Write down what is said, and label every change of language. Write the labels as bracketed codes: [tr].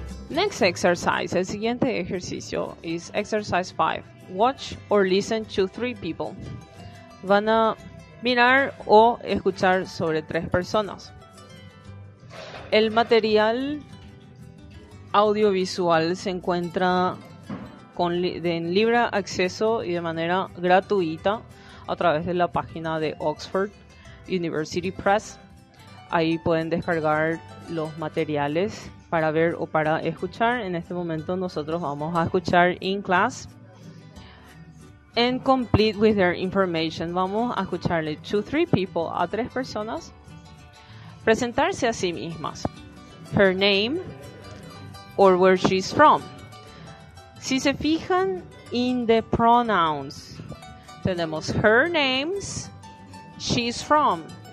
[en] Next exercise, [es] el siguiente ejercicio, [en] is exercise 5. Watch or listen to 3 people. [es] Van a mirar o escuchar sobre 3 personas. El material audiovisual se encuentra en libre acceso y de manera gratuita a través de la página de Oxford University Press. Ahí pueden descargar los materiales para ver o para escuchar. En este momento nosotros vamos a escuchar in class. [en] And complete with their information. [es] Vamos a escucharle [en] to 3 people, [es] a 3 personas, presentarse a sí mismas. [en] Her name or where she's from. [es] Si se fijan [en] in the pronouns, [es] tenemos [en] her names, she's from.